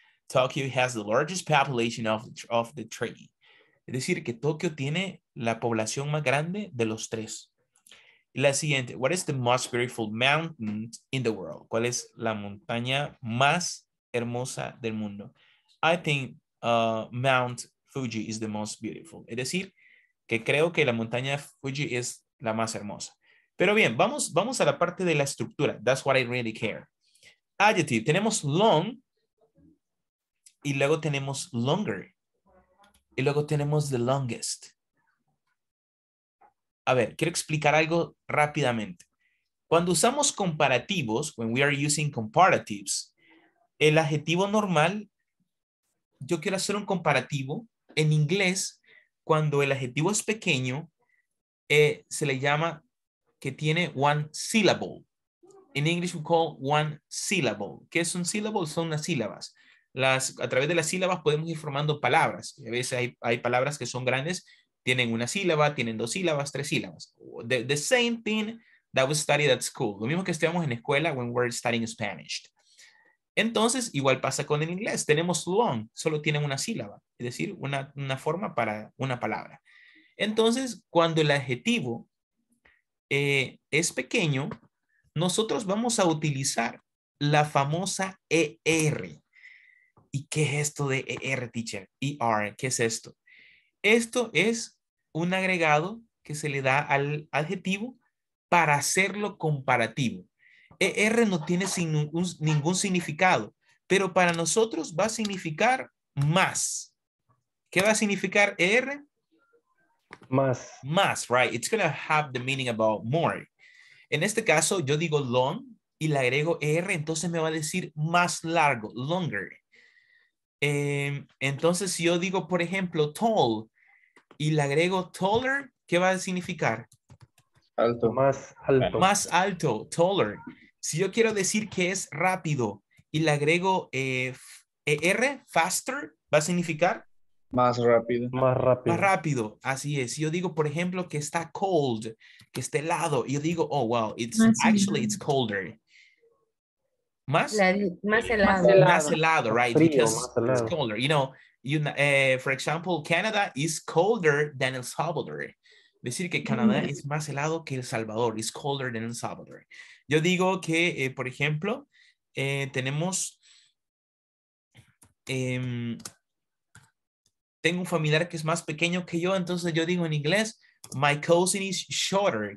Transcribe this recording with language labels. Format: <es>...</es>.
<en>Tokyo has the largest population of the three.</en> <es>Es decir, que Tokio tiene la población más grande de los tres. La siguiente.</es> <en>What is the most beautiful mountain in the world?</en> <es>¿Cuál es la montaña más hermosa del mundo?</es> <en>I think Mount Fuji is the most beautiful.</en> <es>Es decir, que creo que la montaña Fuji es la más hermosa. Pero bien, vamos a la parte de la estructura.</es> <en>That's what I really care. Adjective.</en> <es>Tenemos</es> <en>long.</en> <es>Y luego tenemos longer. Y luego tenemos</es> <en>the longest.</en> <es>A ver, quiero explicar algo rápidamente. Cuando usamos comparativos,</es> <en>when we are using comparatives,</en> <es>el adjetivo normal, yo quiero hacer un comparativo en inglés. Cuando el adjetivo es pequeño, se le llama que tiene</es> <en>one syllable. In English we call one syllable.</en> <es>¿Qué es un</es> <en>syllable?</en> <es>Son unas sílabas. Las, a través de las sílabas podemos ir formando palabras. A veces hay, hay palabras que son grandes, tienen una sílaba, tienen dos sílabas, tres sílabas.</es> <en>The same thing that we studied at school.</en> <es>Lo mismo que estudiamos en escuela</es> <en>when we're studying Spanish.</en> <es>Entonces, igual pasa con el inglés. Tenemos long, solo tienen una sílaba. Es decir, una forma para una palabra. Entonces, cuando el adjetivo es pequeño, nosotros vamos a utilizar la famosa ER. ¿Y qué es esto de ER, teacher? ER, ¿qué es esto? Esto es un agregado que se le da al adjetivo para hacerlo comparativo. ER no tiene ningún significado, pero para nosotros va a significar más. ¿Qué va a significar ER? Más. Más,</es> <en>right. It's going to have the meaning about more.</en> <es>En este caso, yo digo long y le agrego ER, entonces me va a decir más largo, longer. Entonces, si yo digo, por ejemplo, tall, y le agrego taller, ¿qué va a significar? Alto. Más alto. Más alto, taller. Si yo quiero decir que es rápido y le agrego ER, faster, ¿va a significar? Más rápido. Más rápido. Más rápido, así es. Si yo digo, por ejemplo, que está cold, que está helado, y yo digo,</es> <en>oh, wow, it's</en> <es>más actually bien.</es> <en>It's colder.</en> <es>¿Más? Más helado. Más helado,</es> <en>right?</en> <es>Frío,</es> <en>because</en> <es>helado.</es> <en>It's colder, you know. You, for example, Canada is colder than El Salvador.</en> <es>Decir que Canadá es más helado que El Salvador.</es> <en>It's colder than El Salvador.</en> <es>Yo digo que, por ejemplo, tenemos... tengo un familiar que es más pequeño que yo. Entonces yo digo en inglés,</es> <en>my cousin is shorter.</en>